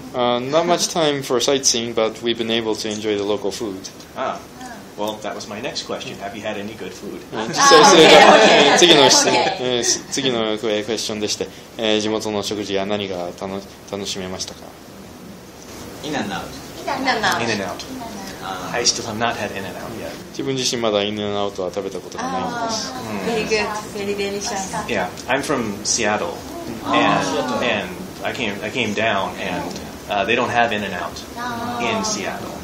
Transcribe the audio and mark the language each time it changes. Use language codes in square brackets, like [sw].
[en] Not much time for sightseeing, but we've been able to enjoy the local food. Ah, well, that was my next question. Have you had any good food? [ja] 実際それが次のクエスチョンでして、地元の食事や何が楽しめましたか？ [en] In and out. In and out. I still have not had In and Out yet. [ja] 自分自身まだ In and Out は食べたことがないんです。 [en] Very good, very delicious. Yeah, I'm from Seattle, and I came down, and they don't have In and Out in Seattle.